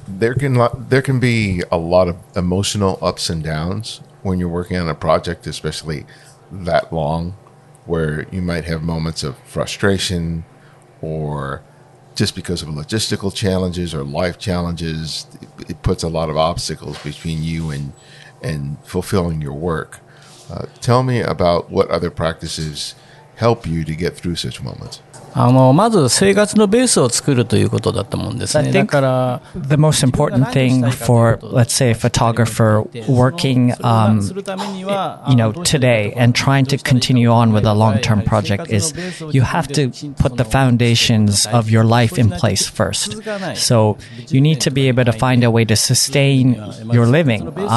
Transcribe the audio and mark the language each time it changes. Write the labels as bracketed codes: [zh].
[en] There can be a lot of emotional ups and downs when you're working on a project, especially that long, where you might have moments of frustration or just because of logistical challenges or life challenges, it puts a lot of obstacles between you and fulfilling your work. Tell me about what other practices help you to get through such moments. [ja] まず生活のベースを作るということだったもんですね。だから、 [en] the most important thing for, let's say, a photographer working, you know, today and trying to continue on with a long-term project is you have to put the foundations of your life in place first. So you need to be able to find a way to sustain your living.